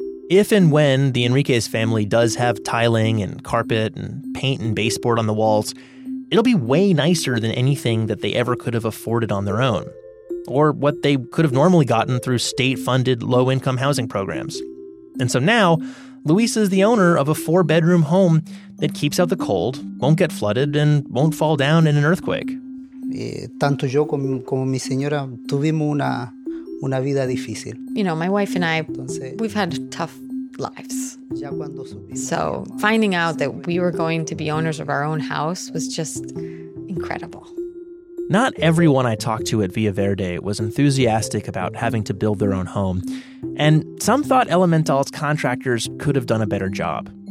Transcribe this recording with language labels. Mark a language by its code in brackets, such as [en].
[en] If and when the Enriquez family does have tiling and carpet and paint and baseboard on the walls, it'll be way nicer than anything that they ever could have afforded on their own, or what they could have normally gotten through state-funded low-income housing programs. And so now, Luis is the owner of a four-bedroom home that keeps out the cold, won't get flooded, and won't fall down in an earthquake. [es] Tanto yo como mi señora tuvimos una vida difícil. [en] You know, my wife and I, we've had tough lives. So finding out that we were going to be owners of our own house was just incredible. Not everyone I talked to at Via Verde was enthusiastic about having to build their own home, and some thought Elemental's contractors could have done a better job.